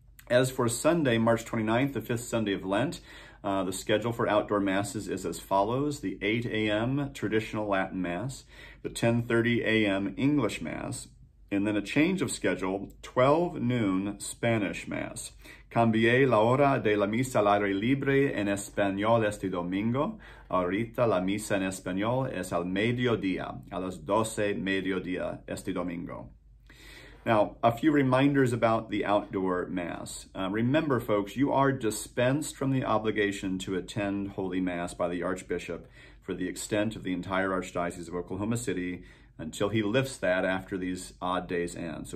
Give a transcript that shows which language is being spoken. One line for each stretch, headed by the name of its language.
English: As for Sunday, March 29th, the fifth Sunday of Lent, the schedule for outdoor masses is as follows: the 8 a.m. traditional Latin Mass, the 10:30 a.m. English Mass, and then a change of schedule, 12 noon Spanish Mass.
Spanish: Cambié la hora de la misa al aire libre en español este domingo. Ahorita la misa en español es al mediodía, a las 12 mediodía este domingo.
English: Now, a few reminders about the outdoor Mass. Remember, folks, you are dispensed from the obligation to attend Holy Mass by the Archbishop for the extent of the entire Archdiocese of Oklahoma City until he lifts that after these odd days end.